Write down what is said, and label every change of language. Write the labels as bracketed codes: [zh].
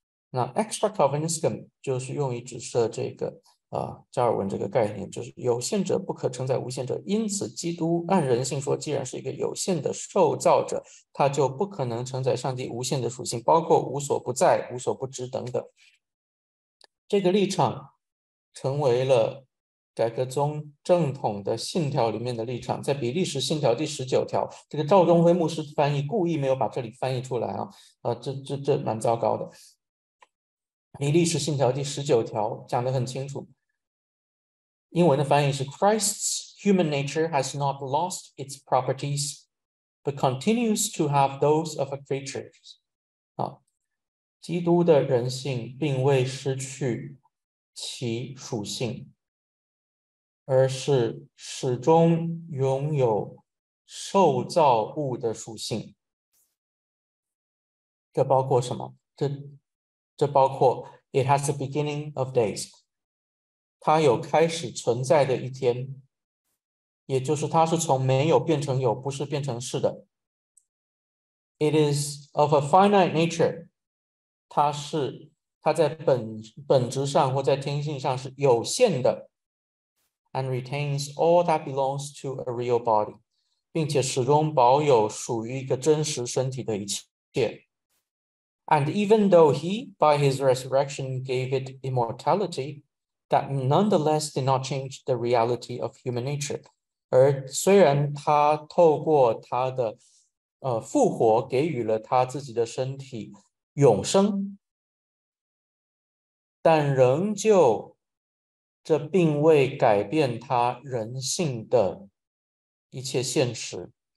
[zh] 那 extra Calvinism 就是用于指涉这个加尔文这个概念，就是有限者不可承载无限者，因此基督按人性说，既然是一个有限的受造者，他就不可能承载上帝无限的属性，包括无所不在、无所不知等等。这个立场成为了改革宗正统的信条里面的立场，在比利时信条第19条，这个赵忠辉牧师翻译故意没有把这里翻译出来啊，这蛮糟糕的。比利时信条第19条讲得很清楚，英文的翻译是： [en] Christ's human nature has not lost its properties, but continues to have those of a creature。 [zh] 基督的人性并未失去其属性，而是始终拥有受造物的属性。这包括什么？这包括。 [en] It has the beginning of days。 [zh] 它有开始存在的一天，也就是它是从没有变成有，不是变成是的。 [en] It is of a finite nature。 [zh] 它在本质上或在天性上是有限的， [en] and retains all that belongs to a real body， [zh] 并且始终保有属于一个真实身体的一切。 [en] And even though he, by his resurrection, gave it immortality, that nonetheless did not change the reality of human nature. [zh] 而虽然他透过他的复活给予了他自己的身体永生，但仍旧这并未改变他人性的一切现实。